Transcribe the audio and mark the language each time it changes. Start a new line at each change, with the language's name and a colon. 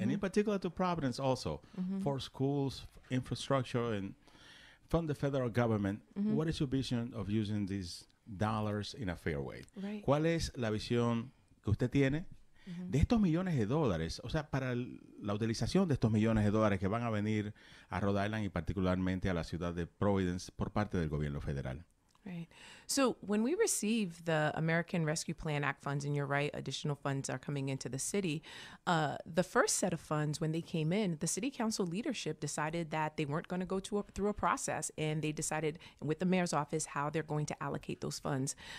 English: and in particular to Providence also, mm-hmm. for schools, infrastructure, and from the federal government. Mm-hmm. What is your vision of using these dollars in a fair way? Right.
Spanish: ¿Cuál es la visión que usted tiene mm-hmm. de estos millones de dólares? O sea, para la utilización de estos millones de dólares que van a venir a Rhode Island y particularmente a la ciudad de Providence por parte del gobierno federal.
English: Right. So when we receive the American Rescue Plan Act funds, and you're right, additional funds are coming into the city, the first set of funds, when they came in, the city council leadership decided that they weren't going to go through a process, and they decided with the mayor's office how they're going to allocate those funds.